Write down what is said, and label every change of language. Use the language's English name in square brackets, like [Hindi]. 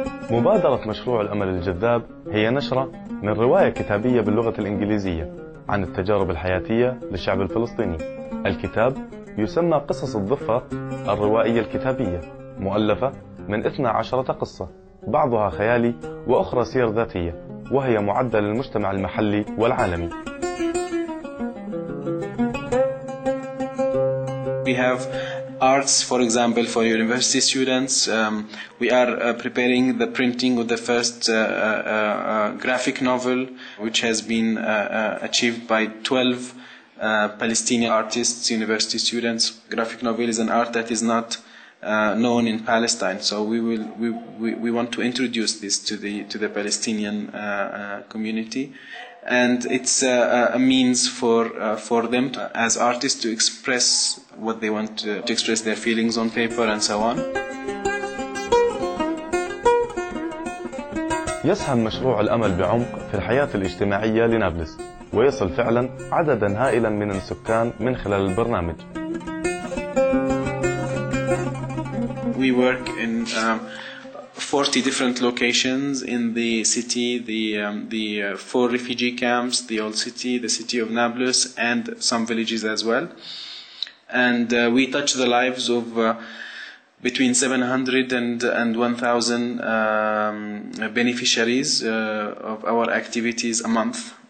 [Arabic] مبادرة مشروع الأمل الجذاب هي نشرة من رواية كتابية باللغة الإنجليزية عن التجارب الحياتية للشعب الفلسطيني. الكتاب يسمى قصص الضفة الروائية الكتابية، مؤلفة من 12 قصة، بعضها خيالي وأخرى سير ذاتية، وهي معدة للمجتمع المحلي والعالمي. [English] We have arts, for example, for university students. We are preparing the printing of the first graphic novel, which has been achieved by 12 Palestinian artists, university students. Graphic novel is an art that is not known in Palestine. So we want to introduce this to the Palestinian community, and it's a means for them to, as artists, to express what they want to express, their feelings on paper and so on. [Arabic] يسهم مشروع الأمل بعمق في الحياة الاجتماعية لنابلس ويصل فعلا عددا هائلا من السكان من خلال البرنامج. [English] We work in 40 different locations in the city, four refugee camps, the old city, the city of Nablus, and some villages as well. And we touch the lives of between 700 and 1,000 beneficiaries of our activities a month.